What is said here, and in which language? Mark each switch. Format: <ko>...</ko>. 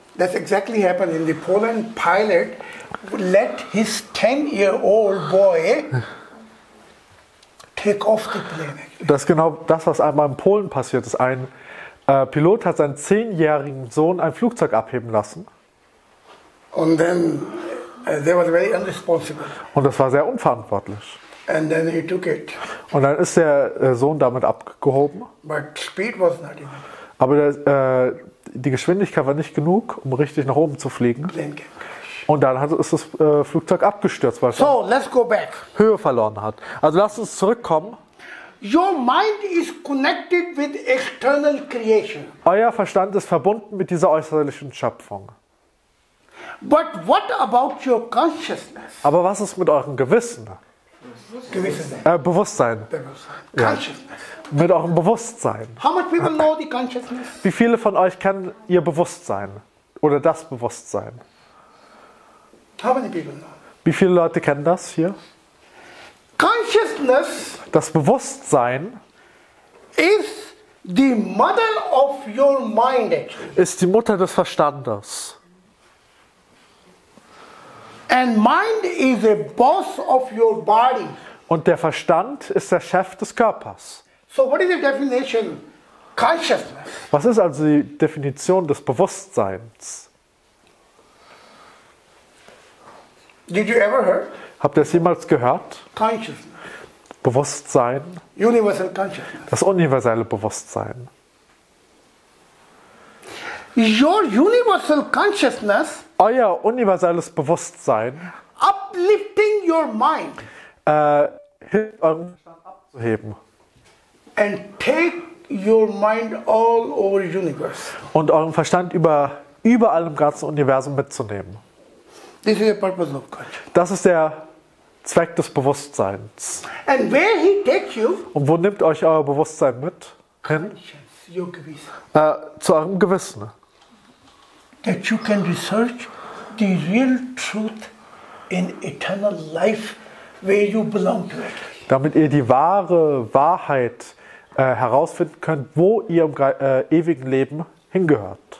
<en>That's exactly happened in the Poland pilot let his 10-year-old boy take off the plane.</en> <de>Das ist genau das, was einmal in Polen passiert ist. Ein Pilot hat seinen 10-jährigen Sohn ein Flugzeug abheben lassen.</de> <en>And then they were very irresponsible.</en> <de>Und das war sehr unverantwortlich.</de> <en>And then he took it.</en> <de>Und dann ist der Sohn damit abgehoben.</de> <en>But speed was not enough.</en> <de>Aber die Geschwindigkeit war nicht genug, um richtig nach oben zu fliegen. Und dann ist das Flugzeug abgestürzt, weil es</de> <en>so, let's go back.</en> <de>Höhe verloren hat. Also lasst uns zurückkommen.</de> <en>Your mind is connected with external creation.</en> <de>Euer Verstand ist verbunden mit dieser äußerlichen Schöpfung.</de> <en>But what about your consciousness?</en> <de>Aber was ist mit eurem Gewissen? Gewissen. Bewusstsein.</de> <en>Consciousness.</en> <de>Mit eurem Bewusstsein.</de> <en>How much people know the consciousness?</en> <de>Wie viele von euch kennen ihr Bewusstsein? Oder das Bewusstsein?</de> <en>How many people know?</en> <de>Wie viele Leute kennen das hier?</de> <en>Consciousness.</en> <de>Das Bewusstsein</de> <en>is the mother of your mind.</en> <de>Ist die Mutter des Verstandes.</de> <en>And mind is the boss of your body.</en> <de>Und der Verstand ist der Chef des Körpers.</de> <en>So what is the definition? Consciousness.</en> <de>Was ist also die Definition des Bewusstseins?</de> <en>Did you ever heard?</en> <de>Habt ihr es jemals gehört?</de> <en>Consciousness.</en> <de>Bewusstsein.</de> <en>Universal consciousness.</en> <de>Das universelle Bewusstsein.</de> <en>Your universal consciousness.</en> <de>Euer universelles Bewusstsein.</de> <en>Uplifting your mind.</en> <de>Hilft euren Verstand abzuheben.</de> <en>And take your mind all over universe.</en> <de>Und euren Verstand überall im ganzen Universum mitzunehmen.</de> <en>This is the purpose of consciousness.</en> <de>Das ist der Zweck des Bewusstseins.</de> <en>And where he takes you?</en> <de>Und wo nimmt euch euer Bewusstsein mit? Hin? Your Gewissen. Zu eurem Gewissen.</de> <en>That you can research the real truth in eternal life where you belong to it.</en> <de>Damit ihr die wahre Wahrheit herausfinden könnt, wo ihr im ewigen Leben hingehört.</de>